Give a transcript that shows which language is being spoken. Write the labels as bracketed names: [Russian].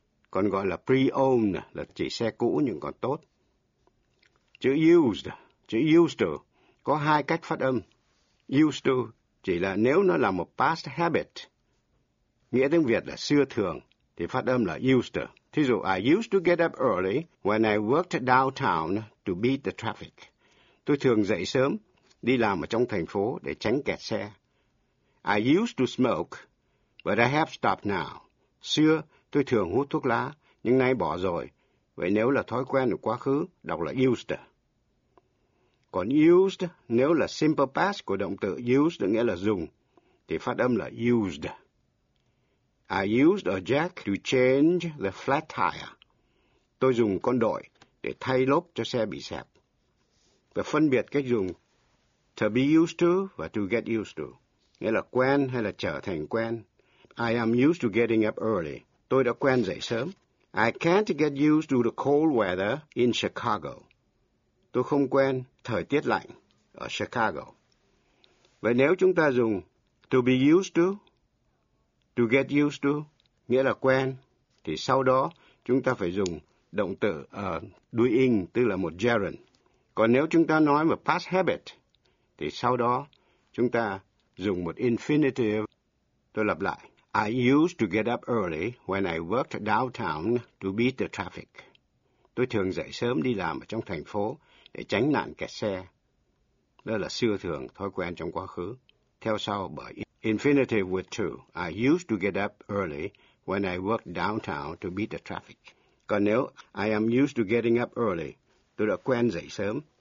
[Vietnamese] Còn gọi là pre-owned là chỉ xe cũ nhưng còn tốt. Chữ used to có hai cách phát âm. Used to chỉ là nếu nó là một past habit, nghĩa tiếng Việt là xưa thường, thì phát âm là used to. [English] Thí dụ, I used to get up early when I worked downtown to beat the traffic. [Vietnamese] Tôi thường dậy sớm, đi làm ở trong thành phố để tránh kẹt xe. [English] I used to smoke, but I have stopped now. [Vietnamese] Xưa, tôi thường hút thuốc lá, nhưng nay bỏ rồi. Vậy nếu là thói quen của quá khứ, đọc là used. Còn used, nếu là simple past của động từ used, nghĩa là dùng, thì phát âm là used. [English] I used a jack to change the flat tire. [Vietnamese] Tôi dùng con đội để thay lốp cho xe bị xẹp. Và phân biệt cách dùng to be used to và to get used to, nghĩa là quen hay là trở thành quen. [English] I am used to getting up early. [Vietnamese] Tôi đã quen dậy sớm. [English] I can't get used to the cold weather in Chicago. [Vietnamese] Tôi không quen thời tiết lạnh ở Chicago. Vậy nếu chúng ta dùng to be used to, to get used to, nghĩa là quen, thì sau đó chúng ta phải dùng động từ doing, tức là một gerund. Còn nếu chúng ta nói một past habit, thì sau đó chúng ta dùng một infinitive. Tôi lặp lại. [English] I used to get up early when I worked downtown to beat the traffic. [Vietnamese] Tôi thường dậy sớm đi làm ở trong thành phố để tránh nạn kẹt xe. Đó là xưa thường, thói quen trong quá khứ, theo sau bởi infinitive with to. [English] I used to get up early when I worked downtown to beat the traffic. [Vietnamese] Còn nếu [English] I am used to getting up early, [Vietnamese] tôi đã quen dậy sớm.